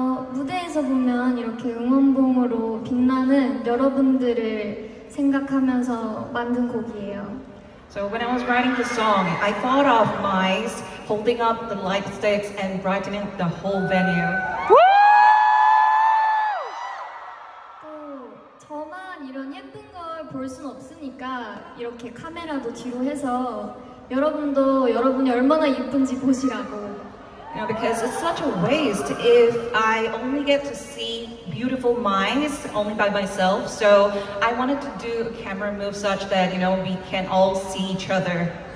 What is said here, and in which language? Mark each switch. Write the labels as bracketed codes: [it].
[ko] 무대에서 보면 이렇게 응원봉으로 빛나는 여러분들을 생각하면서 만든 곡이에요. [en] So when I was writing the song, I thought of mice holding up the light sticks and brightening the whole venue. Woo! [ko] 또 저만 이런 예쁜 걸 볼 순 없으니까 이렇게 카메라도 뒤로 해서 여러분도 여러분이 얼마나 예쁜지 보시라고. [en] You know, because it's such a waste if I only get to see beautiful minds only by myself. So I wanted to do a camera move such that, you know, we can all see each other.